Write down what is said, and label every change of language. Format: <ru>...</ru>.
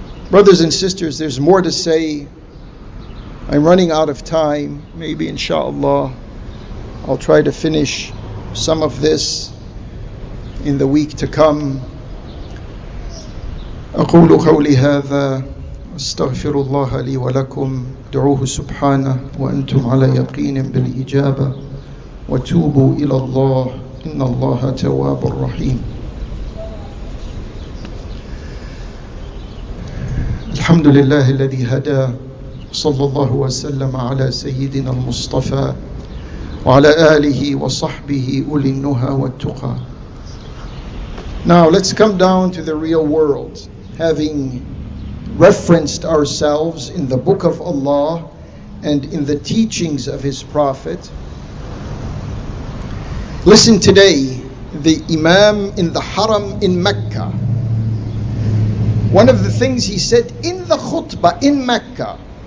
<en>Brothers and sisters, there's more to say. I'm running out of time. Maybe, inshallah, I'll try to finish some of this in the week to come.</en> <ar>أقول قولي هذا أستغفر الله لي ولكم دعوه سبحانه وأنتم على يقين بالإجابة وتوبوا إلى الله إن الله تواب رحيم. الحمد لله الذي هدى صلى الله وسلم على سيدنا المصطفى وعلى آله وصحبه أولي النهى والتقى.</ar> <en>Now let's come down to the real world. Having referenced ourselves in the Book of Allah and in the teachings of His Prophet, listen today, the Imam in the Haram in Mecca, one of the things he said in the khutbah in Mecca,</en>